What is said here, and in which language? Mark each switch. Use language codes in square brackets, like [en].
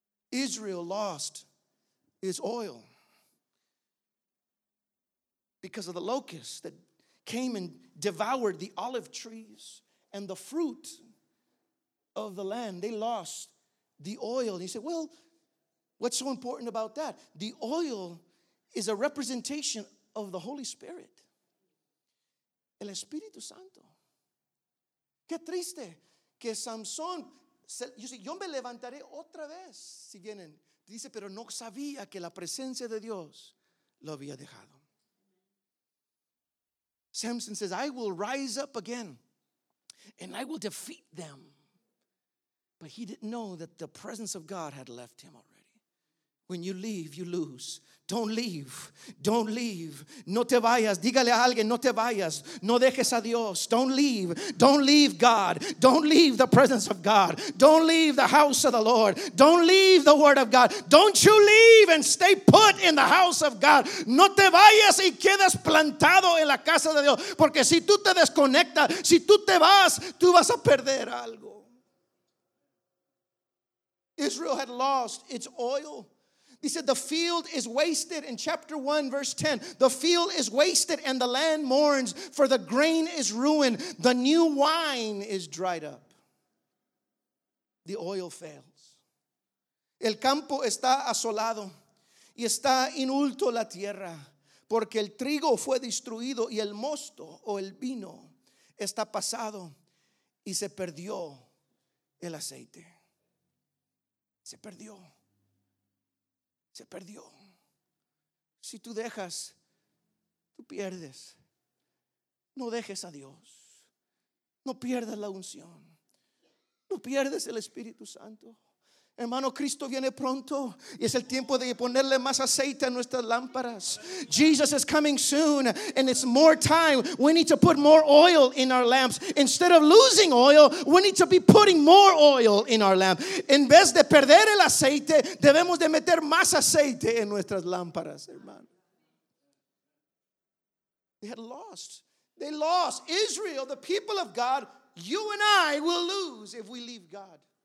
[en] Israel lost its oil because of the locusts that came and devoured the olive trees and the fruit of the land. They lost the oil. And you say, well, what's so important about that? The oil is a representation of the Holy Spirit. [es] El Espíritu Santo. Qué triste. Que Samson, yo me levantaré otra vez si vienen. Dice, pero no sabía que la presencia de Dios lo había dejado. [en] Samson says, I will rise up again and I will defeat them. But he didn't know that the presence of God had left him already. When you leave, you lose. Don't leave. Don't leave. [es] No te vayas. Dígale a alguien, no te vayas. No dejes a Dios. [en] Don't leave. Don't leave God. Don't leave the presence of God. Don't leave the house of the Lord. Don't leave the word of God. Don't you leave and stay put in the house of God. [es] No te vayas y quedas plantado en la casa de Dios. Porque si tú te desconectas, si tú te vas, tú vas a perder algo. [en] Israel had lost its oil. He said, the field is wasted in chapter 1, verse 10. The field is wasted and the land mourns, for the grain is ruined. The new wine is dried up. The oil fails. [es] El campo está asolado y está inulto la tierra, porque el trigo fue destruido y el mosto o el vino está pasado y se perdió el aceite. Se perdió. Se perdió. Si tú dejas, tú pierdes. No dejes a Dios. No pierdas la unción. No pierdes el Espíritu Santo. Hermano, Cristo viene pronto y es el tiempo de ponerle más aceite a nuestras lámparas. [en] Jesus is coming soon and it's more time. We need to put more oil in our lamps. Instead of losing oil, we need to be putting more oil in our lamp. [es] En vez de perder el aceite, debemos de meter más aceite en nuestras lámparas, hermano. [en] They had lost. They lost. Israel, the people of God, you and I will lose if we leave God.